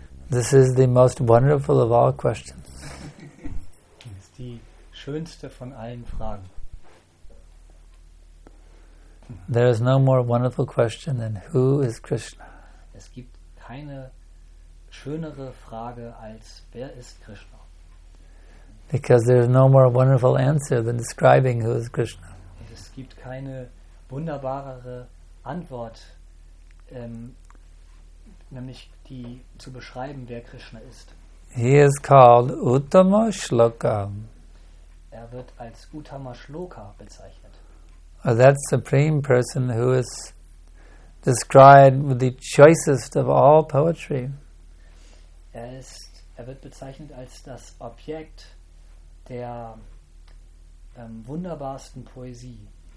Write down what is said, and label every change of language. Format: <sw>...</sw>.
<en>This is the most wonderful of all questions.</en> <de>Das ist die schönste von allen Fragen.</de> <en>There is no more wonderful question than who is Krishna?</en> <de>Es gibt keine schönere Frage als wer ist Krishna?</de> <en>Because there is no more wonderful answer than describing who is Krishna.</en> <de>Und es gibt keine wunderbarere Antwort, nämlich die zu beschreiben, wer Krishna ist.</de> <en>He is called Uttama Shloka.</en> <de>Er wird als Uttama Shloka bezeichnet.</de> <en>That supreme person who is described with the choicest of all poetry.</en> <de>Er wird bezeichnet als das Objekt der wunderbarsten Poesie.</de>